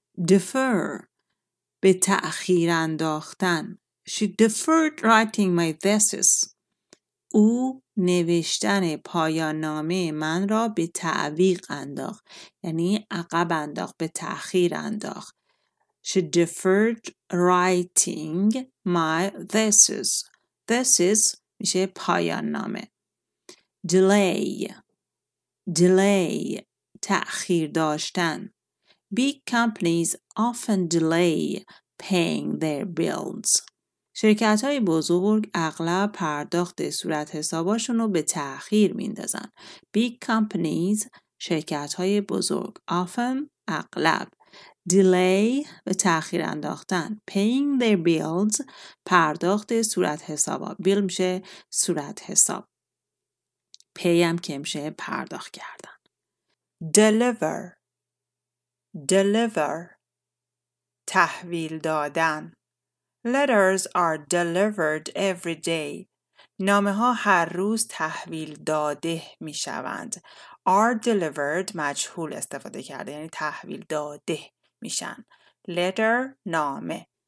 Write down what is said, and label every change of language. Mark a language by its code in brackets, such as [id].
[fa] Defer, به تأخیر انداختن. [en] She deferred writing my thesis. [fa] او نوشتن پایان نامه من را به تعویق انداخت. یعنی عقب انداخت، به تأخیر انداخت. [en] She deferred writing my thesis. [fa] Thesis میشه پایان نامه. [en] Delay. [fa] تأخیر داشتن. [en] Big companies often delay paying their bills. [fa] شرکت‌های بزرگ اغلب پرداخت صورت حساباشون رو به تأخیر میندازن. [en] Big companies، [fa] شرکت‌های بزرگ. Often، اغلب. Delay، به تأخیر انداختن. [en] Paying their bills، [fa] پرداخت صورت حسابا. بیل میشه صورت حساب. Pay هم که میشه پرداخت کردن. Deliver، تحویل دادن. [en] Letters are delivered every day. [fa] نامه ها هر روز تحویل داده می شوند. [en] Are delivered [fa] مجهول استفاده کرده، یعنی تحویل داده می شن. Letter، نامه.